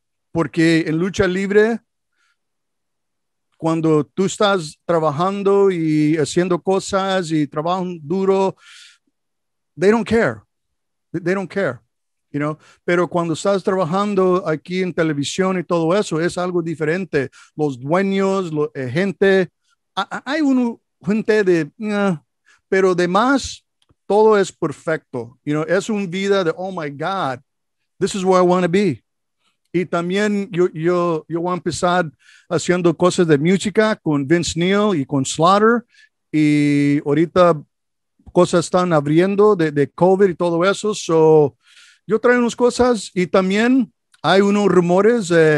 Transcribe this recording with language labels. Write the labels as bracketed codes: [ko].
[es] Porque en lucha libre, cuando tú estás trabajando y haciendo cosas y trabajan duro, [en] they don't care. They don't care. [es] You know, pero cuando estás trabajando aquí en televisión y todo eso, es algo diferente. Los dueños, la gente, hay una gente de, pero demás, todo es perfecto. [en] You know, [es] es una vida de, [en] oh my God, this is where I want to be. [es] Y también yo voy a empezar haciendo cosas de música con Vince Neil y con Slaughter. Y ahorita cosas están abriendo de COVID y todo eso. So, yo traigo unas cosas y también hay unos rumores.